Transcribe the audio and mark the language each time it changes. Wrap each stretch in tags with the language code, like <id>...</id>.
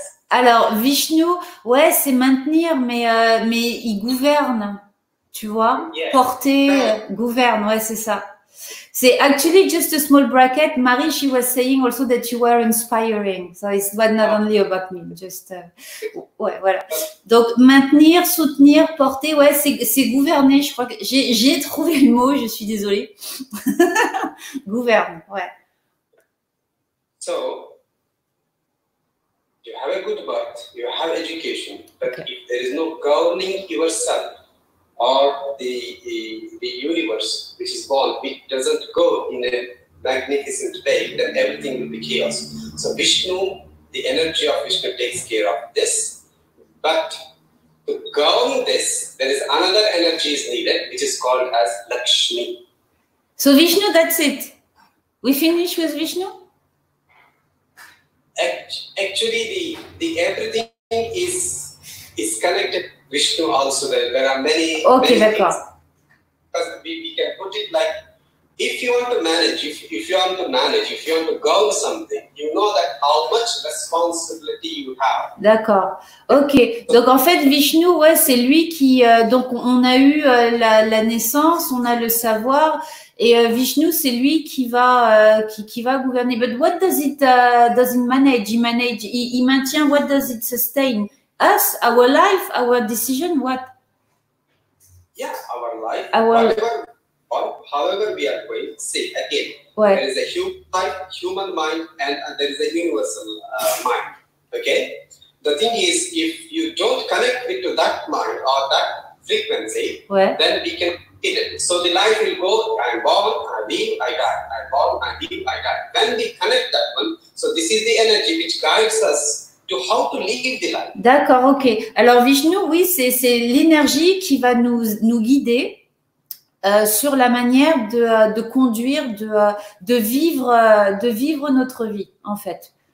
<fr>Alors, Vishnu, ouais, c'est maintenir, mais il gouverne, tu vois,</fr> <en>yes.</en> <fr>Porter, gouverne, ouais, c'est ça. C'est</fr> <en>actually just a small bracket. Marie, she was saying also that you were inspiring. So it's not only about me, just, ouais, voilà.</en> <fr>Donc, maintenir, soutenir, porter, ouais, c'est gouverner, je crois que j'ai trouvé le mot, je suis désolée. Gouverne, ouais.</fr> <en>So, you have a good birth, you have education, but okay. If there is no governing yourself or the universe which is born, it doesn't go in a magnificent way, then everything will be chaos. So Vishnu, the energy of Vishnu takes care of this, but to govern this, there is another energy is needed, which is called as Lakshmi. So Vishnu, that's it. We finish with Vishnu? Actually, the everything is connected to Vishnu also. There are many, okay, many things. Because we can put it like, if you want to manage, if you want to go something, you know that how much responsibility you have.</en> <fr>D'accord. Ok. Donc en fait, Vishnu, ouais, c'est lui qui. Donc on a eu la naissance, on a le savoir. Et Vishnu, c'est lui qui va gouverner.</fr> <en>But what does it manage? He manage, he maintient, what does it sustain? Us, our life, our decision, what? Yeah, our life. However we are going, see, again, what? There is a human life, human mind, and there is a universal mind, okay? The thing is, if you don't connect into that mind or that frequency, what? Then we can... So the life will go, I'm born, I live, I die, I'm born, I live, I die. Then we connect that one. So this is the energy which guides us to how to live the life.</en> <fr>D'accord, ok. Alors Vishnu, oui, c'est l'énergie qui va nous guider sur la manière de conduire, de vivre notre vie, en fait.</fr>